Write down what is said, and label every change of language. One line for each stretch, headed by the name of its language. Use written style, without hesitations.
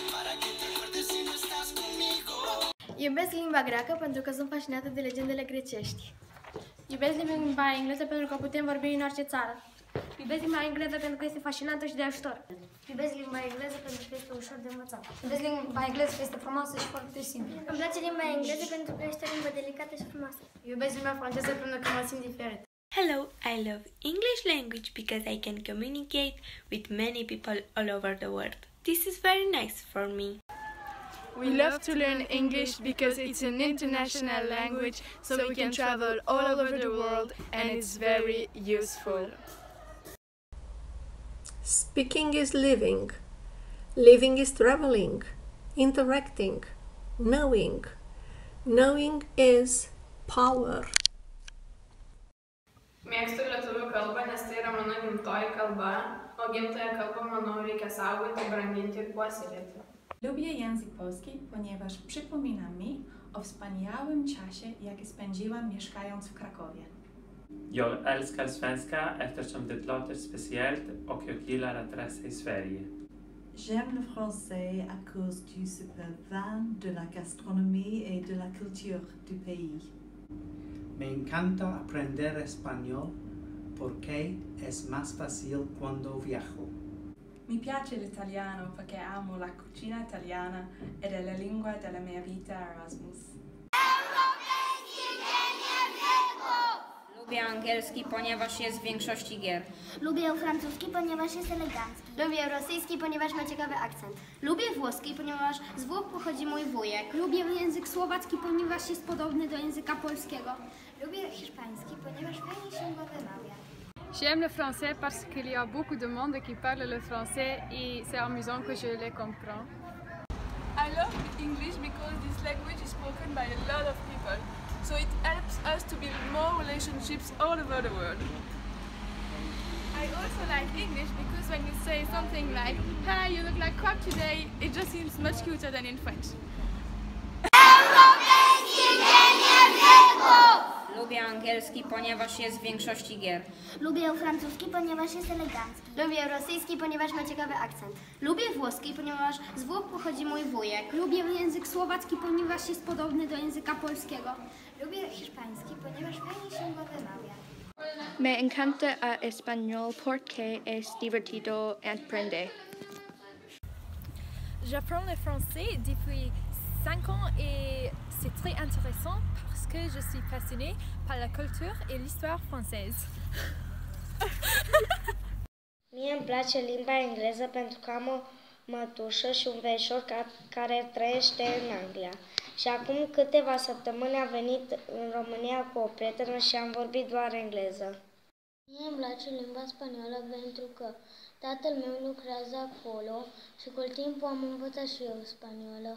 Spanish: Para que te acuerdes si no estás conmigo.
Romanian: Iubesc limba greacă pentru că sunt fascinată de legendele grecești. Iubesc limba engleză pentru că putem vorbi în orice țară. Iubesc limba engleză pentru că este fascinantă și de ajutor. Iubesc limba engleză pentru că este ușor de învățat. Iubesc limba engleză că este frumoasă și foarte simplă. Îmi place limba engleză pentru că este o limbă delicată și frumoasă. Iubesc limba franceză pentru că mă simt diferit.
English: Hello, I love English language because I can communicate with many people all over the world. This is very nice for me. We love to learn English because it's an international language, so we can travel all over the world and it's very useful. Speaking is living. Living is traveling, interacting, knowing. Knowing is power.
Lithuanian: Mėgstu lietuvių kalbą, nes tai yra mano gimtoji kalba, o gimtąją kalbą, manau, reikia saugoti, branginti ir puoselėti.
Polish: Lubię język polski, ponieważ przypomina mi o wspaniałym czasie, jaki spędziłam mieszkając w Krakowie.
Swedish: Jag älskar svenska eftersom det låter speciellt och jag gillar att resa i Sverige.
French: J'aime le français à cause du super vin, de la gastronomie et de la culture du pays.
Spanish: Me encanta aprender español porque es más fácil cuando viajo.
Italian: Mi piace l'italiano perché amo la cucina italiana ed è la lingua della mia vita Erasmus.
Polish: Lubię angielski, ponieważ jest w większości gier. Lubię francuski, ponieważ jest elegancki. Lubię rosyjski, ponieważ ma ciekawy akcent. Lubię włoski, ponieważ z Włoch pochodzi mój wujek. Lubię język słowacki, ponieważ jest podobny do języka polskiego. Lubię hiszpański, ponieważ fajnie się go wymawia.
French: J'aime le français parce qu'il y a beaucoup de monde qui parle le français et c'est amusant que je les comprends.
English: I love English because this language is spoken by a lot of people, so it helps us to build more relationships all over the world. I also like English because when you say something like, "Hey, you look like crap today," it just seems much cuter than in French.
Polish: Lubię angielski, ponieważ jest w większości gier. Lubię francuski, ponieważ jest elegancki. Lubię rosyjski, ponieważ ma ciekawy akcent. Lubię włoski, ponieważ z Włoch pochodzi mój wujek. Lubię język słowacki, ponieważ jest podobny do języka polskiego. Lubię hiszpański, ponieważ fajnie się go wymawia.
Spanish: Me encanta a español porque es divertido aprender.
French: J'apprends le français depuis 5 ans et c'est très intéressant. Je suis fascinée par la culture et l'histoire française.
Romanian: Mie îmi place limba engleză pentru că am o mătușă și un veșor care trăiește în Anglia. Și acum câteva săptămâni a venit în România cu o prietenă și am vorbit doar engleză. Mie îmi place limba spaniolă pentru că tatăl meu lucrează acolo și cu timpul am învățat și eu spaniolă.